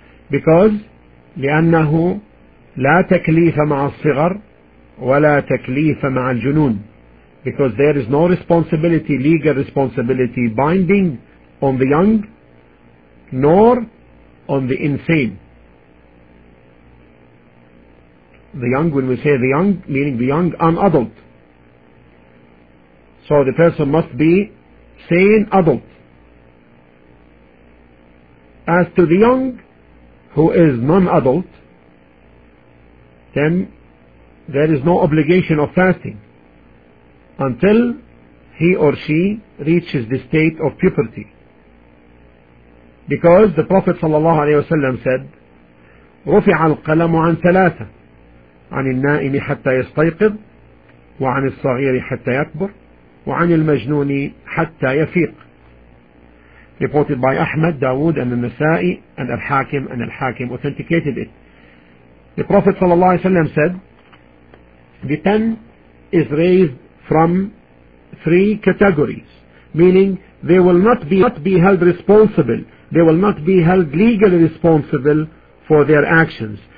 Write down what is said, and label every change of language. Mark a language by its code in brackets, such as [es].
[en] Because [ar] لأنه لا تكليف مع الصغر ولا تكليف مع الجنون. [en] Because there is no responsibility, legal responsibility binding on the young nor on the insane. The young, when we say the young, meaning the young, an adult. So the person must be sane adult. As to the young, who is non-adult, then there is no obligation of fasting until he or she reaches the state of puberty. Because the Prophet ﷺ said, [ar] رُفِعَ الْقَلَمُ عَنْ ثَلَاثَ عَنِ النَّائِمِ حَتَّى يَسْتَيْقِظْ وَعَنِ الصَّغِيرِ حَتَّى يَكْبُرْ وَعَنِ الْمَجْنُونِ حَتَّى يَفِيقْ. [en] Reported by Ahmad, Dawood, and Al-Nasa'i, and Al-Hakim, and Al-Hakim authenticated it. The Prophet ﷺ said, the 10 is raised from 3 categories, meaning they will not be held responsible, they will not be held legally responsible for their actions.